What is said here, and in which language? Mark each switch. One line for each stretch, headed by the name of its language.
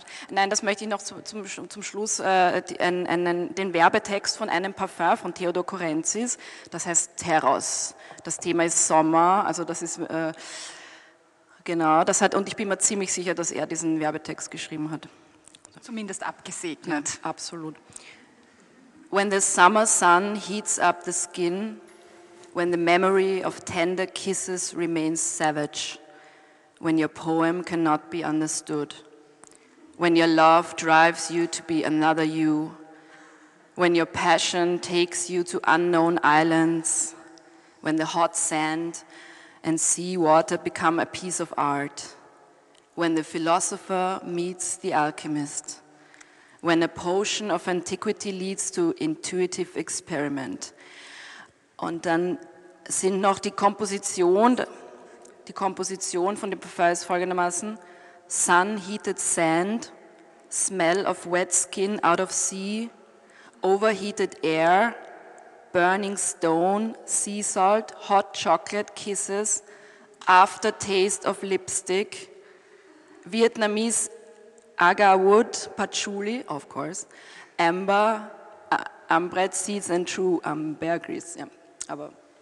German: Nein, das möchte ich noch zum Schluss den Werbetext von einem Parfum von Theodor Korenzis. Das heißt Terros. Das Thema ist Sommer. Also das ist genau. Das hat und ich bin mir ziemlich sicher, dass er diesen Werbetext geschrieben hat. Zumindest abgesegnet. Ja, absolut.
English: When the summer sun heats up the skin, when the memory of tender kisses remains savage, when your poem cannot be understood, when your love drives you to be another you, when your passion takes you to unknown islands, when the hot sand and sea water become a piece of art, when the philosopher meets the alchemist, when a potion of antiquity leads to intuitive experiment.
German: Und dann sind noch die Komposition von dem Parfum ist folgendermaßen:
English: Sun heated sand, smell of wet skin out of sea, overheated air, burning stone, sea salt, hot chocolate kisses, aftertaste of lipstick, Vietnamese agar wood, patchouli, of course, amber, ambret seeds and true ambergris. Yeah. Aber